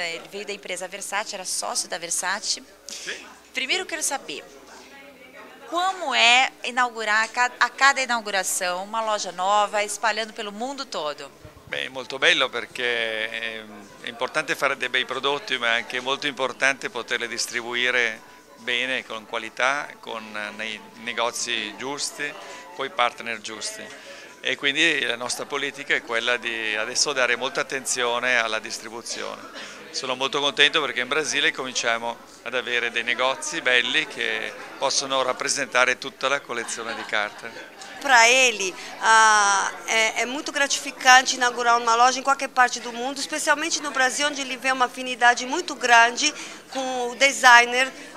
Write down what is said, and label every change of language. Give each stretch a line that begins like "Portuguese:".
Portuguese: Ele veio da empresa Versace, era sócio da Versace. Primeiro eu quero saber, como é inaugurar a cada inauguração uma loja nova, espalhando pelo mundo todo?
Italian: Beh, molto bello perché è importante fare dei bei prodotti, ma anche molto importante poterli distribuire bene, con qualità, con nei negozi giusti, con i partner giusti. E quindi la nostra politica è quella di adesso dare molta attenzione alla distribuzione. Sono molto contento perché in Brasile cominciamo ad avere dei negozi belli che possono rappresentare tutta la collezione di carte.
Portuguese: Para ele é muito gratificante inaugurar uma loja em qualquer parte do mundo, especialmente no Brasil, onde ele vê uma afinidade muito grande com o designer